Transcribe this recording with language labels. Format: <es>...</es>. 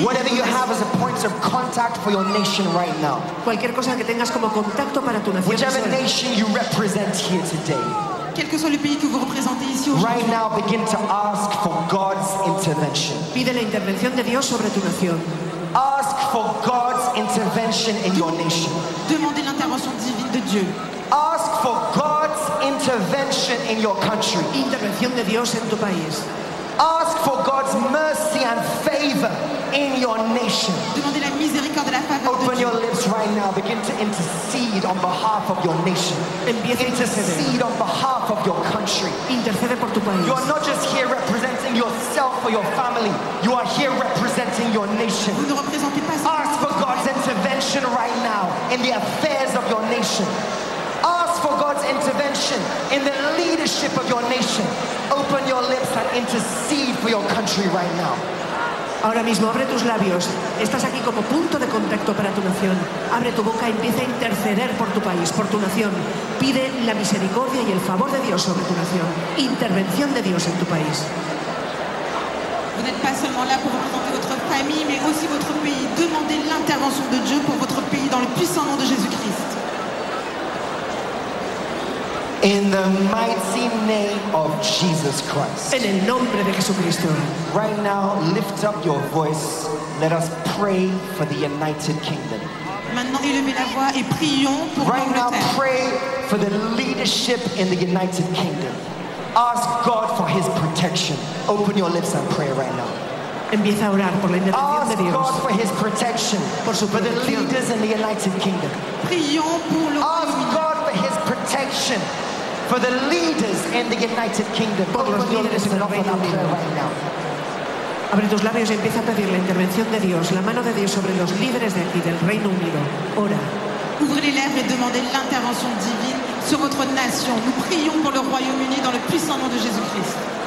<en>Whatever you have as a point of contact for your nation right now.</en> <es>Cualquier cosa que tengas como contacto para tu nación.</es> <en>Whichever nation you represent here today.</en> <fr>Quel que soit le pays que vous représentez ici aujourd'hui.</fr> <en>Right now, begin to ask for God's intervention.</en> <es>Pide la intervención de Dios sobre tu nación.</es> <en>Ask for God's intervention in your nation.</en> <fr>Demandez l'intervention divine de Dieu.</fr> <en>Ask for God's intervention in your country.</en> <es>Intervención de Dios en tu país.</es> <en>Ask for God's mercy and favor in your nation.</en> <fr>Demandez la miséricorde et la faveur de Dieu.</fr> <en>Open your lips right now. Begin to intercede on behalf of your nation. Intercede on behalf of your country. Intercede por tu país. You are not just here representing yourself or your family. You are here representing your nation.</en> <fr>Vous ne représentez pas seulement.</fr> <en>Ask for God's intervention right now in the affairs of your nation. For God's intervention in the leadership of your nation. Open your lips and intercede for your country right now.</en> <es>Ahora mismo abre tus labios. Estás aquí como punto de contacto para tu nación. Abre tu boca y empieza a interceder por tu país, por tu nación. Pide la misericordia y el favor de Dios sobre tu nación. Intervención de Dios en tu país.</es> <fr>Vous n'êtes pas seulement là pour représenter votre famille, mais aussi votre pays. Demandez l'intervention de Dieu pour votre pays dans le puissant nom de Jésus-Christ.</fr> <en>In the mighty name of Jesus Christ.</en> <es>En el nombre de Jesucristo.</es> <en>Right now, lift up your voice. Let us pray for the United Kingdom.</en> <fr>Maintenant, élevez la voix et prions pour</fr> <en>l'Angleterre. Right now, pray for the leadership in the United Kingdom. Ask God for his protection. Open your lips and pray right now.</en> <es>Empieza a orar por la intervención de Dios.</es> <en>Ask God for his protection</en> <es>por su protección.</es> <en>For the leaders in the United Kingdom.</en> <fr>Prions pour le</fr> <en>Ask God for his protection for the leaders in the United Kingdom.</en> <es>Por los líderes del Reino Unido. Abre tus labios y empieza a pedir la intervención de Dios, la mano de Dios sobre los líderes de aquí del Reino Unido. Ora.</es> <fr>Ouvre les lèvres et demandez l'intervention divine sur votre nation. Nous prions pour le Royaume-Uni dans le puissant nom de Jésus-Christ.</fr>